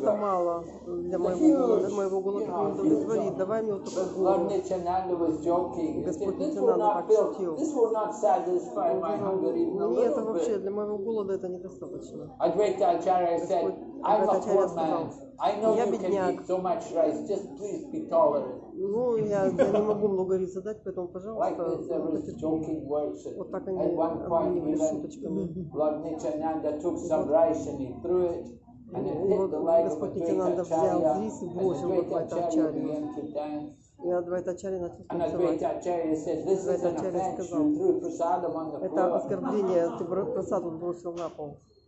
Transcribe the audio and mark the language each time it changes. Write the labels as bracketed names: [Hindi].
[English] Lord Nityananda was joking. He said, this will not satisfy my hunger even a little bit. Advaita Acharya said, I'm a poor man. I know you can eat so much rice. Just please be tolerant. [Russian] Ну, я не могу много риса дать, поэтому, пожалуйста, вот так они обменивали шуточками. [English] Lord Nityananda took some rice and he threw it, and it hit the leg of Advaita Acharya, and Advaita Acharya began to dance. And Advaita Acharya said, this is an offense, you threw prasadam on the floor. [Russian] Это оскорбление, ты просаду бросил на пол.